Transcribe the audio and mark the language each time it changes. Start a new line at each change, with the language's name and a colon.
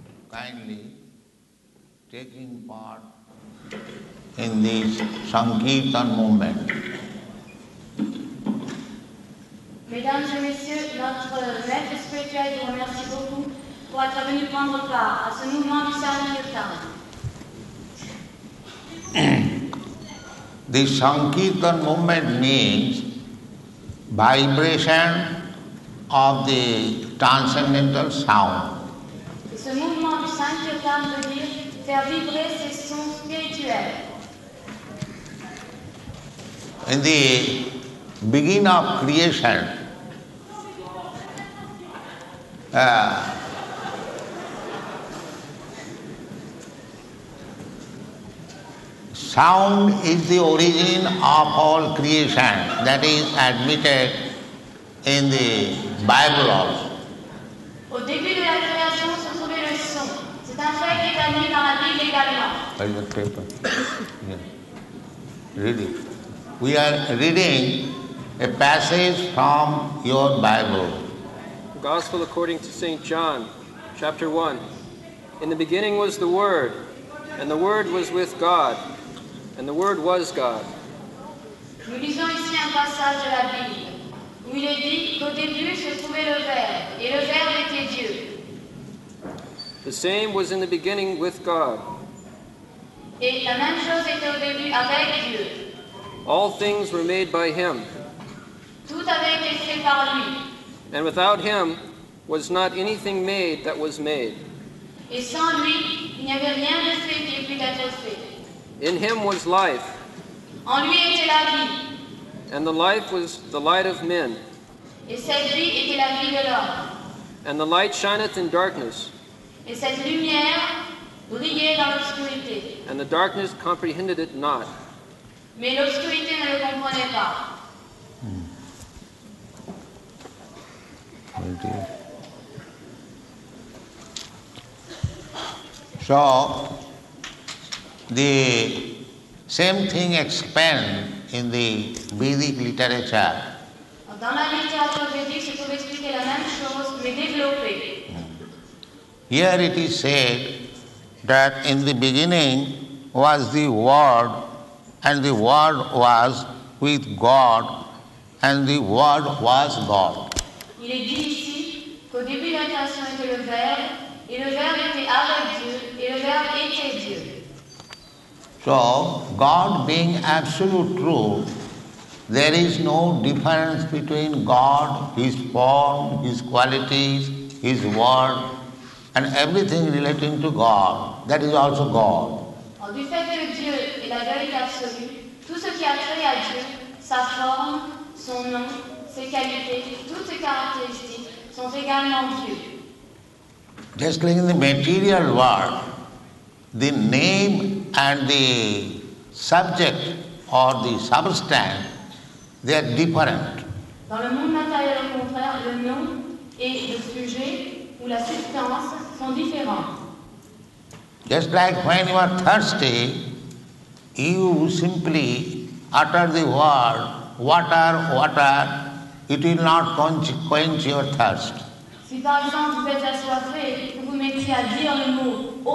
English: kindly taking part in this Sankirtan movement.
French: Mesdames et messieurs, notre maître spirituel vous remercie beaucoup pour être venu prendre part à ce mouvement du Sankirtan.
English: This Sankirtan movement means vibration of the transcendental sound.
French: Ce mouvement du Sankirtan veut dire faire vibrer ces sons spirituels.
English: In the beginning of creation, sound is the origin of all creation, that is admitted in the Bible also.
French: Au début de la création se trouvait le son. C'est un fait qui est admis dans la Bible également.
English: Read the paper. Yeah. Read it. We are reading a passage from your Bible. Gospel according to St. John, chapter 1. In the beginning was the Word, and the Word was with God. And the Word was God.
French: Nous lisons ici un passage de la Bible où il est dit qu'au début se trouvait le Verbe, et le Verbe était Dieu.
English: The same was in the beginning with God.
French: Et la même chose était au début avec Dieu.
English: All things were made by him.
French: Tout avait été fait par lui.
English: And without him was not anything made that was made.
French: Et sans lui, il n'y avait rien de fait qui puisse être fait.
English: In him was life.
French: En lui était la vie.
English: And the life was the light of men.
French: Et cette vie était la vie de l'homme.
English: And the light shineth in darkness.
French: Et cette lumière brillait dans l'obscurité.
English: And the darkness comprehended it not.
French: Mais l'obscurité ne le comprenait pas.
English: Oh dear. So, the same thing expands in the Vedic literature.
French: Dans la littérature védique, je peux expliquer la même chose, mais développée.
English: Here it is said that in the beginning was the Word, and the Word was with God, and the Word was God.
French: Il est dit ici qu'au début la création était le Verbe, et le Verbe était avec Dieu, et le Verbe était Dieu.
English: So, God being absolute truth, there is no difference between God, His form, His qualities, His word, and everything relating to God, that is also God.
French: Du fait que Dieu est la vérité absolue, tout ce qui a trait à Dieu, sa forme, son nom, ses qualités, toutes ses caractéristiques, sont également Dieu.
English: Just like in the material world, the name and the subject or the substance, they are different.
French: Dans le monde matériel, au contraire, le nom et le sujet ou la substance sont différents.
English: Just like when you are thirsty, you simply utter the word water, water, it will not quench your thirst.
French: Si par exemple vous êtes assoiffé, vous vous mettez à dire le mot